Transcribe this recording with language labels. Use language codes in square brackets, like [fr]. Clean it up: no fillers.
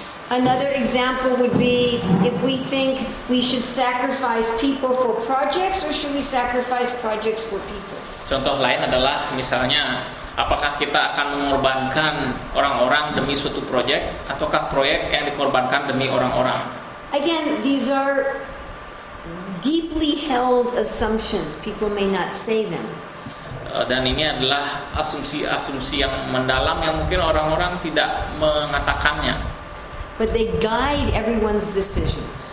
[en] Another example would be if we think we should sacrifice people for projects, or should we sacrifice projects for people? [id] Contoh lain adalah misalnya apakah kita akan mengorbankan orang-orang demi suatu proyek, ataukah proyek yang dikorbankan demi orang-orang? [en] Again, these are deeply held assumptions. People may not say them. [id] Dan ini adalah asumsi-asumsi yang mendalam yang mungkin orang-orang tidak mengatakannya. [en] But they guide everyone's decisions.